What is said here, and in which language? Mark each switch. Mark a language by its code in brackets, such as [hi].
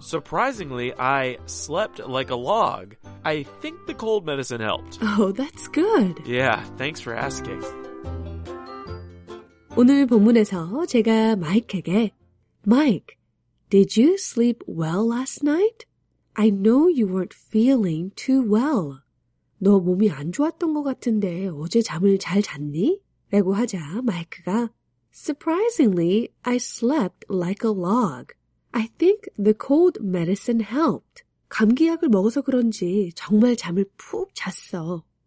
[en] Surprisingly, I slept like a log. I think the cold medicine helped. Oh, that's good. Yeah, thanks for asking. [ko] 오늘 본문에서 제가 마이크에게 [en] Mike, did you sleep well last night? I know you weren't feeling too well. [ko] 너 몸이 안 좋았던 것 같은데 어제 잠을 잘 잤니? 라고 하자 마이크가 [en] Surprisingly, I slept like a log. I think the cold medicine helped. [ko] 감기약을 먹어서 그런지 정말 잠을 푹 잤어.